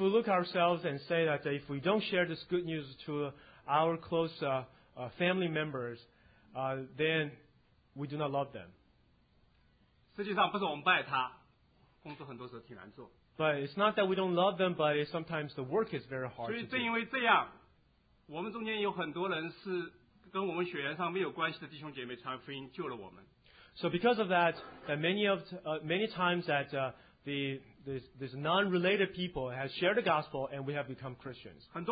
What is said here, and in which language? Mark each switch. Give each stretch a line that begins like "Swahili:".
English: we look ourselves and say that if we don't share this good news to our close family members, then we do not love them.
Chinese: 实际上不是我们不爱他，工作很多时候挺难做。
English: But it's not that we don't love them, but sometimes the work is very hard.
Chinese: 所以正因为这样，我们中间有很多人是跟我们血缘上没有关系的弟兄姐妹传福音救了我们。
English: So because of that, that many times that these non-related people have shared the gospel and we have become Christians.